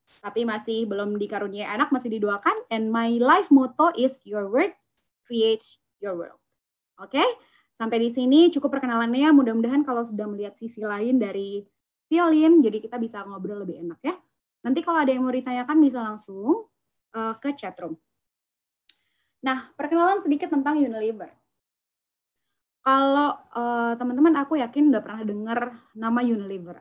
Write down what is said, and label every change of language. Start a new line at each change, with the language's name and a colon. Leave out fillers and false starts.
Indonesian: Tapi masih belum dikaruniai anak, masih didoakan.
English: And my life motto is your word creates your world. Oke, okay?
Indonesian: Sampai di sini cukup perkenalannya. Mudah-mudahan kalau sudah melihat sisi lain dari Violin, jadi kita bisa ngobrol lebih enak ya. Nanti kalau ada yang mau ditanyakan bisa langsung ke chatroom. Nah, perkenalan sedikit tentang Unilever. Kalau teman-teman, aku yakin udah pernah dengar nama Unilever.